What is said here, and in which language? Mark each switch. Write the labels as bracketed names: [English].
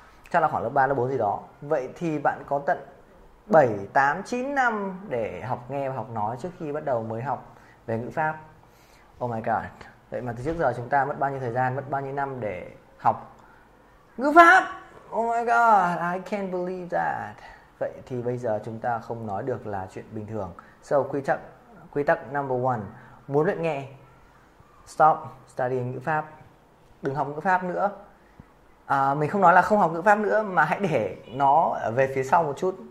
[Vietnamese] Chắc là khoảng lớp 3, lớp 4 gì đó. Vậy thì bạn có tận 7, 8, 9 năm để học nghe và học nói trước khi bắt đầu mới học về ngữ pháp. [English] Oh my god. [Vietnamese] Vậy mà từ trước giờ chúng ta mất bao nhiêu thời gian, mất bao nhiêu năm để học ngữ pháp? [English] Oh my god, I can't believe that. [Vietnamese] Vậy thì bây giờ chúng ta không nói được là chuyện bình thường. So, quy tắc [English] number one. [Vietnamese] Muốn luyện nghe, [English] stop studying [Vietnamese] ngữ pháp. Đừng học ngữ pháp nữa. Mình không nói là không học ngữ pháp nữa, mà hãy để nó về phía sau một chút.